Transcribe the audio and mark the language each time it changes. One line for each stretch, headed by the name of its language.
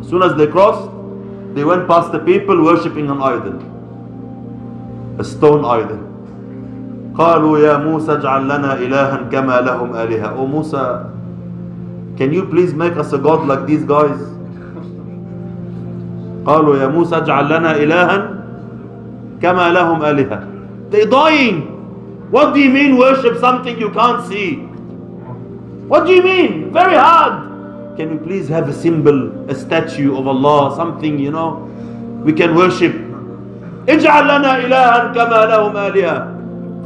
English: As soon as they crossed, they went past the people worshipping an idol, a stone idol.
Arabic: قَالُوا يَا مُوسَى اجْعَلْ لَنَا إِلَهًا كَمَا لَهُمْ آلِهَةً.
English: Oh Musa, can you please make us a god like these guys?
Arabic: قالوا يا موسى اجعل لنا إلها كما لهم آلهة.
English: They're dying. What do you mean worship something you can't see? What do you mean? Very hard. Can you please have a symbol, a statue of Allah, something, you know, we can worship?
Arabic: اجعل لنا إلها كما لهم آلهة.